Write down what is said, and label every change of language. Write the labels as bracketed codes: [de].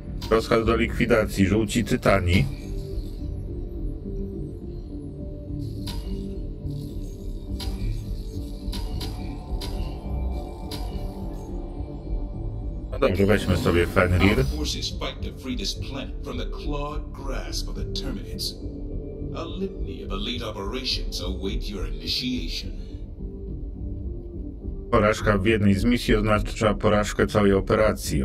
[pl] Rozkaz do likwidacji, żółci tytani. Dobrze, weźmy sobie Fenrir. [en] Our forces fight to free this planet from the clawed grasp of the Terminates. A litany of elite operations await your initiation. [pl] Porażka w jednej z misji oznacza porażkę całej operacji.